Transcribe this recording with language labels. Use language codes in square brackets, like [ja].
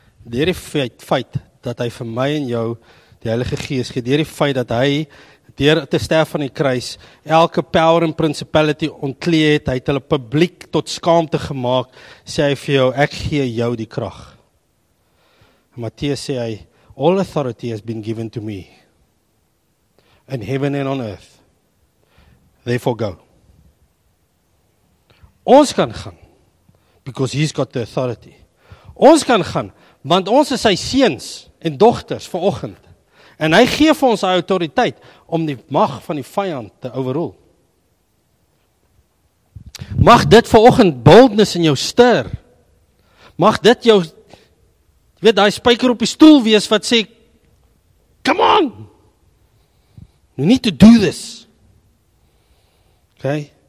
[af] Deur die feit dat hy vir my en jou die Heilige Gees gee, deur die feit dat hy deur te sterf van die kruis, elke [en] power and principality [af] ontkleed het, hy het hulle publiek tot skaamte gemaak, sê hy vir jou, ek gee jou die krag. Matteus sê hy, [en] all authority has been given to me, in heaven and on earth. Therefore go. [af] Ons kan gaan, [en] because he's got the authority. [af] Ons kan gaan, want ons is sy seuns en dogters vanoggend. En hy gee vir ons autoriteit om die mag van die vijand te overrule. Mag dit vanoggend boldness in jou stir. Mag dit jou, weet die spyker op die stoel wees wat sê, [en] come on, we need to do this. [af] Okay?